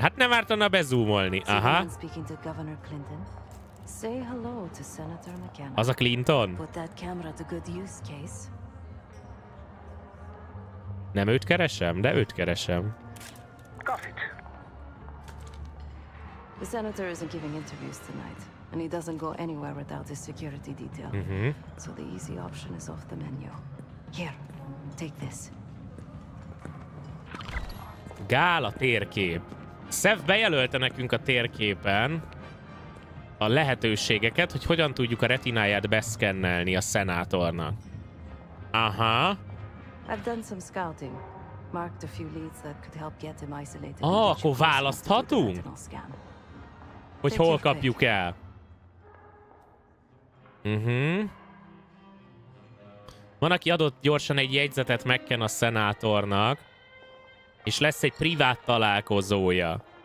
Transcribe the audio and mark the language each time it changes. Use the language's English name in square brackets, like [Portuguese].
[Hungarian] Hát nem ártana bezoomolni. Aha. [English] Speaking to Governor Clinton. Say hello to Senator McKenna. [Hungarian] Az a Clinton. [English] Put that camera to good use, Case. [Hungarian] Nem őt keresem, de őt keresem. [English] Got it. The senator isn't giving interviews tonight, and he doesn't go anywhere without his security detail. Mm-hmm. So the easy option is off the menu. Here, take this. [Hungarian] Gála térkép. Szef bejelölte nekünk a térképen a lehetőségeket, hogy hogyan tudjuk a retináját beszkennelni a szenátornak. Aha. [English] I've done some scouting. marked a few leads that could help get him isolated. [Hungarian] Ah, akkor választhatunk? Hogy hol kapjuk el? Van, aki adott gyorsan egy jegyzetet McCann a szenátornak, és lesz egy privát találkozója.